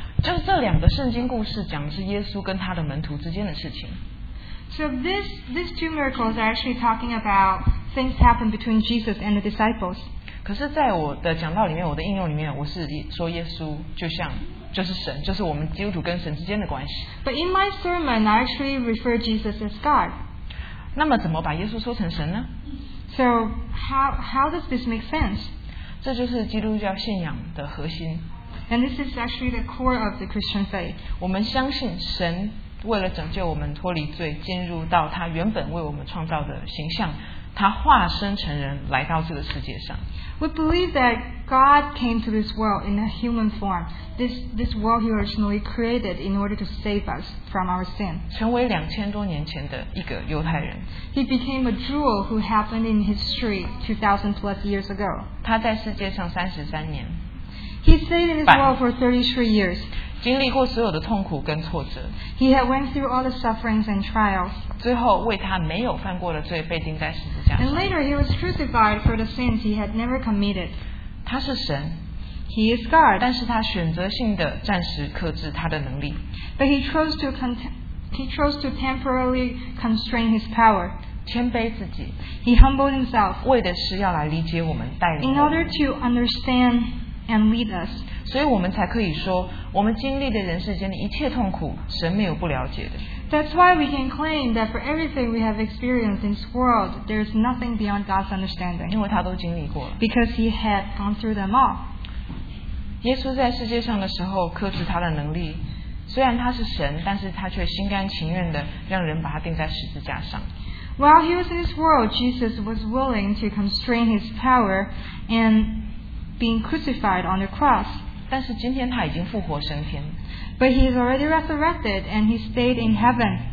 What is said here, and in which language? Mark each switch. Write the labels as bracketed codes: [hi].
[zh] 就这两个圣经故事讲的是耶稣跟他的门徒之间的事情。 [en] So these two miracles are actually talking about things happened between Jesus and the disciples. [zh] 可是在我的讲道里面，我的应用里面，我是说耶稣就像。就是神，就是我们基督徒跟神之间的关系。 [en] But in my sermon, I actually refer Jesus as God. [zh] 那么怎么把耶稣说成神呢？ [en] So how does this make sense? [zh] 这就是基督教信仰的核心。 [en] And this is actually the core of the Christian faith. [zh] 我们相信神为了拯救我们脱离罪，进入到他原本为我们创造的形象，他化身成人来到这个世界上。 [en] We believe that God came to this world in a human form. This world He originally created in order to save us from our sin. [zh] 成为2000多年前的一个犹太人。 [en] He became a Jew who happened in history 2000 plus years ago. [zh] 他在世界上33年。 [en] He stayed in this world for 33 years. [zh] 经历过所有的痛苦跟挫折。 [en] He had went through all the sufferings and trials. [zh] 最后为他没有犯过的罪被钉在十字架上。 [en] And later he was crucified for the sins he had never committed. [zh] 他是神。 [en] He is God. [zh] 但是他选择性的暂时克制他的能力。 [en] But he chose to temporarily constrain his power. [zh] 谦卑自己。 [en] He humbled himself. [zh] 为的是要来理解我们，带领我们。 [en] In order to understand. And lead us. [zh] 所以我们才可以说，我们经历的人世间的一切痛苦，神没有不了解的。 [en] That's why we can claim that for everything we have experienced in this world, there's nothing beyond God's understanding. [zh] 因为他都经历过了。 [en] Because he had gone through them all. [zh] 耶稣在世界上的时候，克制他的能力。虽然他是神，但是他却心甘情愿的让人把他钉在十字架上。 [en] While he was in this world, Jesus was willing to constrain his power and. Being crucified on the cross. [zh] 但是今天他已经复活升天。 [en] But he is already resurrected and he stayed in heaven.